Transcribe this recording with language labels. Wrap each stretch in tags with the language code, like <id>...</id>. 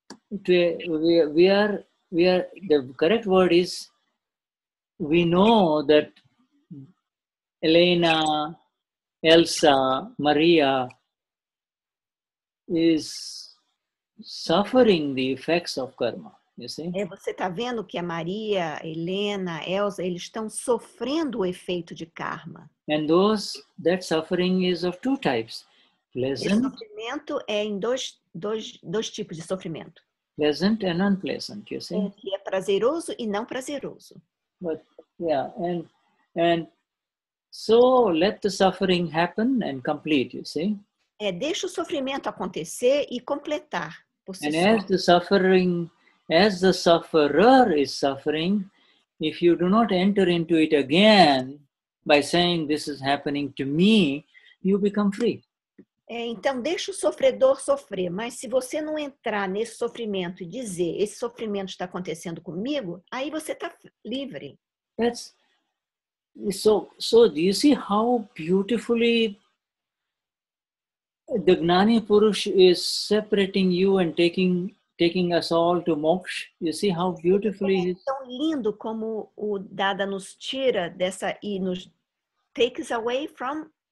<en>The correct word is, we know that Elena, Elsa, Maria is suffering the effects of karma. You see?</en> <pt>É, você está vendo que a Maria, Helena, Elsa, eles estão sofrendo o efeito de karma.</pt> <en>And those, that suffering is of two types. Pleasant.</en> <pt>Esse sofrimento é em dois tipos de sofrimento.</pt> <en>Pleasant and unpleasant, you see?</en> <pt>É, que é prazeroso e não prazeroso.</pt> <en>But, yeah, and so let the suffering happen and complete, you see?</en> <pt>É, deixa o sofrimento acontecer e completar.</pt> <en>And as the sufferer is suffering, if you do not enter into it again by saying this is happening to me, you become free.</en> <pt>É, então, deixa o sofredor sofrer, mas se você não entrar nesse sofrimento e dizer esse sofrimento está acontecendo comigo, aí você está livre.</pt> <en>So, do you see how beautifully the Gnani Purush is separating you and taking us all to moksha? You see how beautifully...</en> <pt>É tão lindo como o Dada nos tira dessa e nos</pt> <en>takes away from...</en>